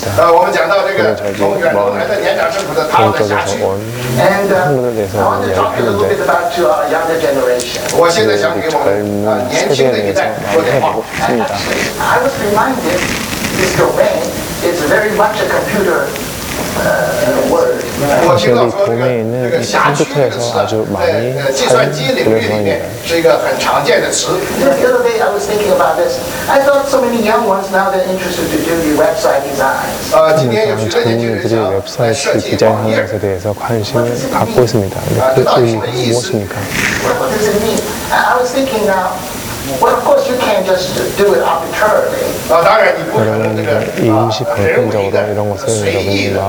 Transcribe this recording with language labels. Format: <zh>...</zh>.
<zh>我们讲到这个从远东来的年长圣徒的他们的辖区，我们讲了一点。我现在想给我们年轻的一代说点话。</zh> <en>I was reminded this domain is very much a computer.</en> <zh>我听到说这个辖区的词在计算机领域里面是一个很常见的词。</zh> <en>The other day I was thinking about this. I thought so many young ones now they're interested to do the website designs.</en> <zh>今天有许多年轻人想设计网页，这些都关心了。</zh> <en>What does it mean? What does it mean? I was thinking now. Well, of course, you can't just do it arbitrarily.</en> <zh>当然你不可能这个人为的随意的</zh>